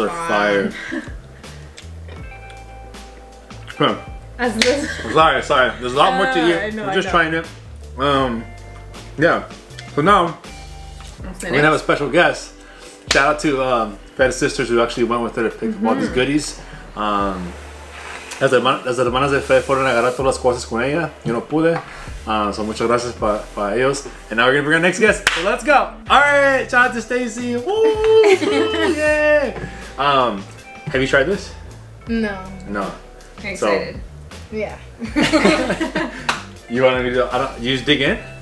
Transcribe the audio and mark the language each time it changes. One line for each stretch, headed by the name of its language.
English: are fire. sorry. There's a lot more to eat. I'm just trying it. Yeah. So now, we're going to have a special guest. Shout out to Fed's sisters who actually went with her to pick all these goodies.
Spanish: Las hermanas de Fed fueron a agarrar todas las cosas con ella. Yo no pude.
English: So
Spanish: muchas gracias para ellos.
English: And now we're going to bring our next guest. So let's go. All right. Shout out to Stacy. Woo! Yeah. Have you tried this? No. I'm excited. So, yeah. You want me to? You just dig in.